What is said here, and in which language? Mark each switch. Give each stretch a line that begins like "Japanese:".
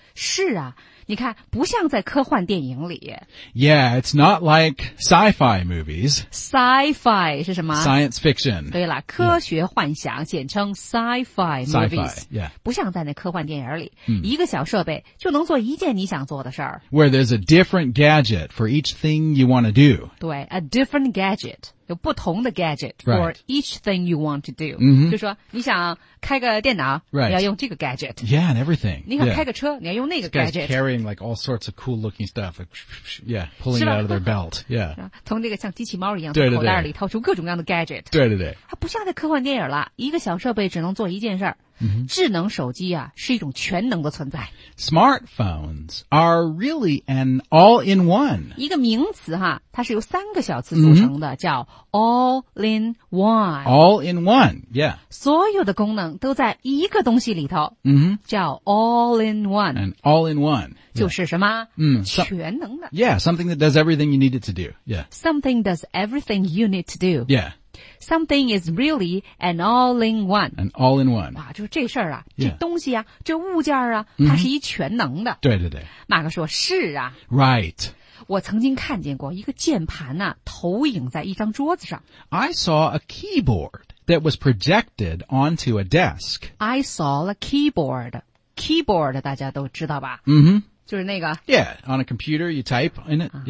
Chinese: 是啊你看不像在科幻电影里
English: Yeah, it's not like sci-fi movies
Chinese: Sci-fi 是什么
English: Science fiction
Chinese: 对了科学幻想、简称 sci-fi movies
English: sci-fi,、
Chinese: 不像在那科幻电影里、一个小设备就能做一件你想做的事儿
English: Where there's a different gadget for each thing you want to do
Chinese: 对
English: a different gadget
Chinese: 有不同的
English: gadget for、each thing you want to do、
Chinese: 就说你想开个电脑、你要用这个 gadget
English: Yeah, and everything
Chinese: 你想开个车、你要用那个 gadget
English: carrying like all sorts of cool looking stuff like, yeah pulling it out of their belt yeah
Chinese: 从那个像机器猫一样从口袋里掏出各种各样的 gadget 对对对它不像在科幻电影了一个小设备只能做一件事儿、智能手机啊是一种全能的存在
English: smartphones are really an all-in-one
Chinese: 一个名词哈它是由三个小词组成的、叫 all-in-one
English: all-in-one yeah
Chinese: 所有的功能都在一个东西里头、叫 all-in-one
English: and all-in-one One.
Chinese: 就是什么、全能的
English: Yeah, something that does everything you need it to do、 Something does everything you need to do、Something is really an all-in-one An all-in-one、
Chinese: 就是这事儿啊、这东西啊、这物件啊、它是一全能的对对对马克说是啊
English: Right
Chinese: 我曾经看见过一个键盘啊投影在一张桌子上
English: I saw a keyboard that was projected onto a desk I saw a keyboardKeyboard,
Chinese: 大家都知道吧、就是那个。
English: Yeah, on a computer, you type in it.、